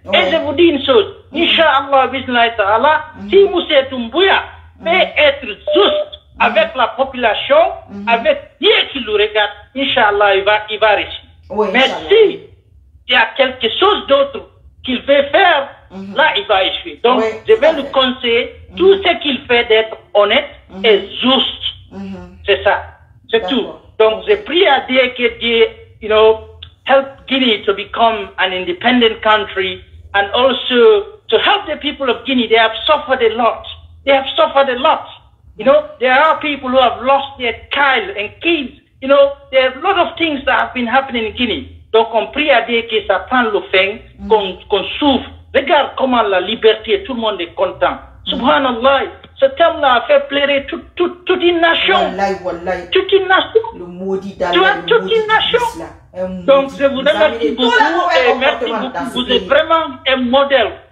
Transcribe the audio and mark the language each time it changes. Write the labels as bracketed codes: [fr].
[fr] Et je vous dis une chose, Inch'Allah, bismillah ta'ala, si Moussa Doumbouya peut être juste avec la population, avec Dieu qui le regarde, Inch'Allah, il va réussir. Oui, mais si il y a quelque chose d'autre qu'il veut faire, là, il va échouer. Donc, oui, je vais lui conseiller tout ce qu'il fait d'être honnête et juste. C'est ça. C'est tout. Donc, j'ai prié à Dieu que Dieu, [en] you know, help Guinea to become an independent country and also to help the people of Guinea. They have suffered a lot. They have suffered a lot. You know, there are people who have lost their child and kids. You know, there are a lot of things that have been happening in Guinea. [fr] Donc, on prie à Dieu que ça prenne le fin, qu'on souffre. Regarde comment la liberté, tout le monde est content. Subhanallah, ce terme-là a fait pleurer toute une nation. Toute une nation. Le maudit d'Allah. Toute une nation. Donc, je vous remercie beaucoup et merci beaucoup. Vous êtes vraiment un modèle.